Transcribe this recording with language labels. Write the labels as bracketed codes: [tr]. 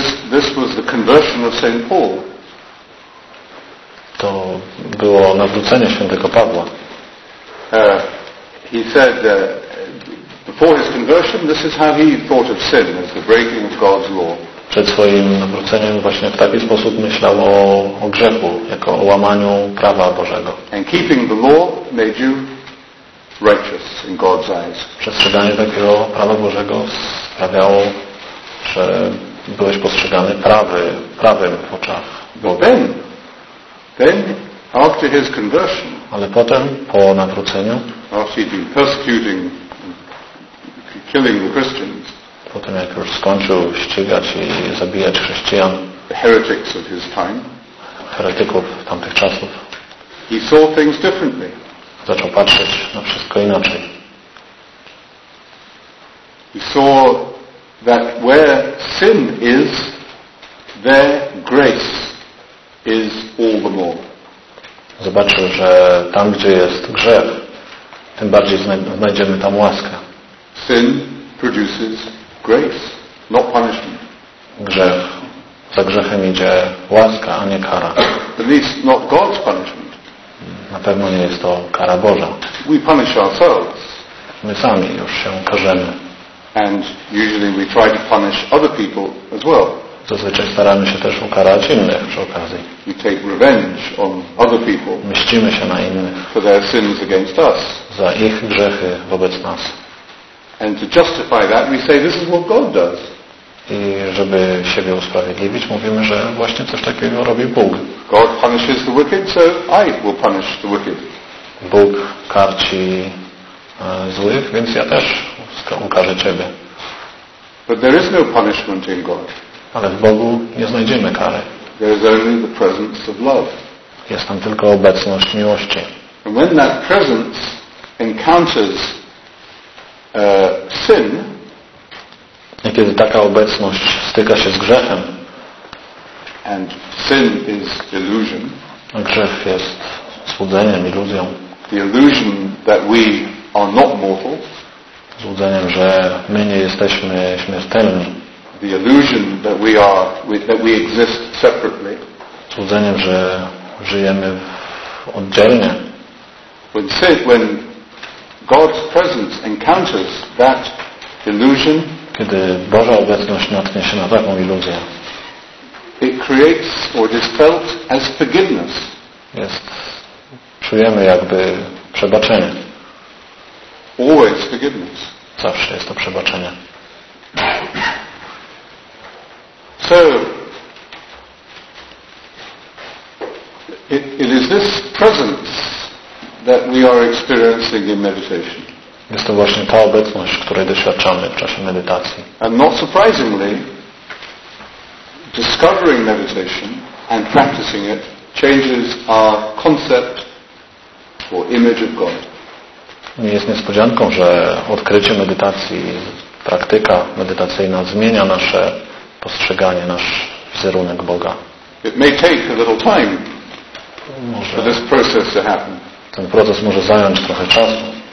[en] This was the conversion of Saint Paul. [pl] To było nawrócenie świętego Pawła. [en] He said before his conversion, this is how he thought of sin as the breaking of God's law. [pl] Przed swoim nawróceniem właśnie w taki sposób myślał o grzechu jako o łamaniu prawa Bożego. [en] And keeping the law made you righteous in God's eyes. [pl] Przestrzeganie takiego prawa Bożego sprawiało, że byłeś postrzegany prawym w oczach Boga. [en] Then, after his conversion, [pl] ale potem, po nawróceniu, [en] after he'd been persecuting, killing the Christians, [pl] potem jak już skończył ścigać i zabijać chrześcijan, [en] the heretics of his time, [pl] heretyków tamtych czasów, [en] he saw things differently. [pl] Zaczął patrzeć na wszystko inaczej. [en] He saw that where sin is, there grace is all the more. [pl] Zobaczył, że tam, gdzie jest grzech, tym bardziej znajdziemy tam łaskę. [en] Sin produces grace, not punishment. [pl] Grzech. Za grzechem idzie łaska, a nie kara. [en] At least not God's punishment. [pl] Na pewno nie jest to kara Boża. [en] We punish ourselves. [pl] My sami już się karzemy. [en] And usually we try to punish other people as well. [pl] Zazwyczaj staramy się też ukarać innych przy okazji. [en] We take revenge on other people. [pl] Mścimy się na innych. [en] For their sins against us. [pl] Za ich grzechy wobec nas. [en] And to justify that, we say this is what God does. [pl] I żeby siebie usprawiedliwić, mówimy, że właśnie coś takiego robi Bóg. [en] God punishes the wicked, so I will punish the wicked. [pl] Bóg karci złych, więc ja też ukarzę ciebie. [en] But there is no punishment in God. [pl] Ale w Bogu nie znajdziemy kary. [en] There is only the presence of love. [pl] Jest tam tylko obecność miłości. [en] And when that presence encounters sin, [pl] i kiedy taka obecność styka się z grzechem, [en] and sin is illusion, [pl] a grzech jest złudzeniem, iluzją, [en] the illusion that we are not mortal, [pl] złudzeniem, że my nie jesteśmy śmiertelni, [en] the illusion that we are, that we exist separately, [pl] złudzeniem, że żyjemy oddzielnie. [en] When God's presence encounters that illusion, [pl] kiedy Boża obecność natknie się na taką iluzję, [en] it creates or it is felt as forgiveness. [pl] Jest, czujemy jakby przebaczenie. [en] Always forgiveness. [pl] Zawsze jest to przebaczenie. [en] So, it is this presence that we are experiencing in meditation. [pl] Jest to właśnie ta obecność, której doświadczamy w czasie medytacji. [en] And not surprisingly, discovering meditation and practicing it changes our concept or image of God. [pl] Nie jest niespodzianką, że odkrycie medytacji, praktyka medytacyjna zmienia nasze postrzeganie, nasz wizerunek Boga. [en] It may take a little time for this process to happen. [pl] Ten proces może zająć trochę czasu.